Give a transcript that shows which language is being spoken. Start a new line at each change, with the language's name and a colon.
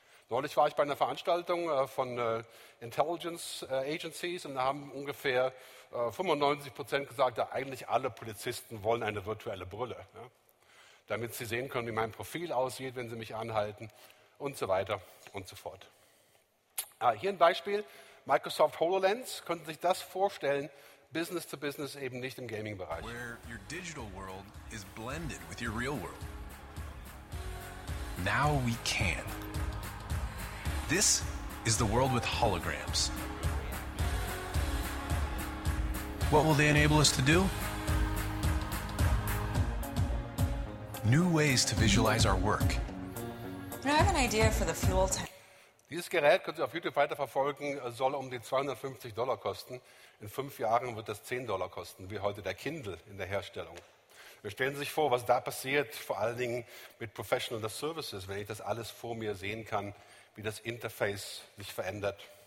German: Neulich war ich bei einer Veranstaltung von Intelligence Agencies und da haben ungefähr 95% gesagt, dass eigentlich alle Polizisten wollen eine virtuelle Brille, ja? Damit sie sehen können, wie mein Profil aussieht, wenn sie mich anhalten und so weiter und so fort. Hier ein Beispiel, Microsoft HoloLens. Können Sie sich das vorstellen, Business to Business eben nicht im Gaming-Bereich?
English: Where your digital world is blended with your real world. Now we can. This is the world with holograms. What will they enable us to do? New ways to visualize our work. I have an idea for the fuel tank.
German: Dieses Gerät, können Sie auf YouTube weiterverfolgen, soll um die $250 kosten. In 5 Jahren wird das $10 kosten, wie heute der Kindle in der Herstellung. Wir stellen sich vor, was da passiert, vor allen Dingen mit Professional Services, wenn ich das alles vor mir sehen kann, wie das Interface sich verändert.